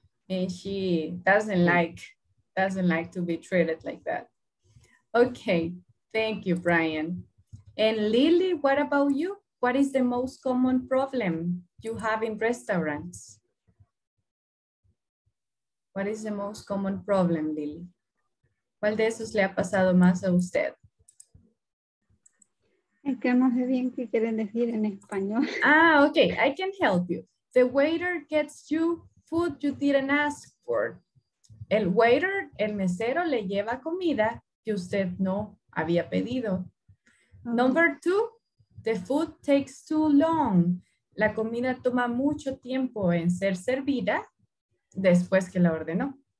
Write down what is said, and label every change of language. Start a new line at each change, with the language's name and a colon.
English: And she doesn't like to be treated like that. Okay, thank you, Brian. And Lily, what about you? What is the most common problem you have in restaurants? What is the most common problem, Lily?
Spanish: ¿Cuál de esos le ha pasado más a usted? Es que no sé bien qué quieren decir en español.
English: Ah, okay, I can help you. The waiter gets you food you didn't ask for.
Spanish: El waiter, el mesero, le lleva comida que usted no había pedido. Okay.
English: Number two, the food takes too long.
Spanish: La comida toma mucho tiempo en ser servida después que la ordenó.